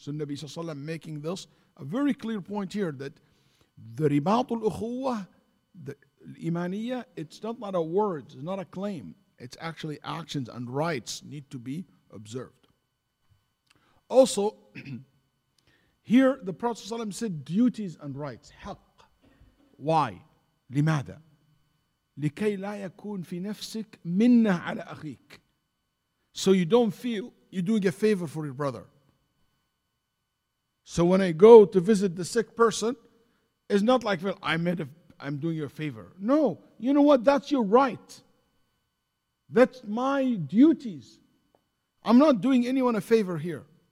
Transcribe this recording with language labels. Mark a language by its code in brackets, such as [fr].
[en] So Nabi ﷺ making this a very clear point here that the ribatul ukhuwa, the imaniyah, it's not a word, it's not a claim. It's actually actions and rights need to be observed. Also, here the Prophet ﷺ said duties and rights, haqq. Why? [ar] لماذا؟ لكي لا يكون في نفسك منة على أخيك. [en] So you don't feel you're doing a favor for your brother. So when I go to visit the sick person, it's not like, well, I'm doing you a favor. No, you know what? That's your right. That's my duties. I'm not doing anyone a favor here.